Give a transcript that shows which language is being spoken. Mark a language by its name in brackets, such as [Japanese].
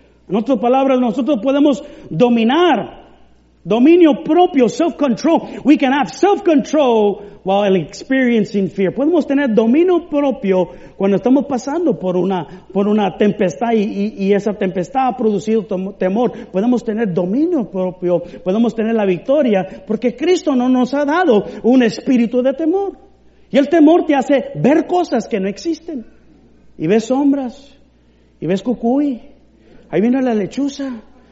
[Spanish] En otras palabras, nosotros podemos dominar. Dominio propio, self-control. [English] We can have self-control while experiencing fear. [Spanish] Podemos tener dominio propio cuando estamos pasando por una tempestad y esa tempestad ha producido temor. Podemos tener dominio propio, podemos tener la victoria, porque Cristo no nos ha dado un espíritu de temor. Y el temor te hace ver cosas que no existen. Y ves sombras, y ves cucuy, ahí viene la lechuza.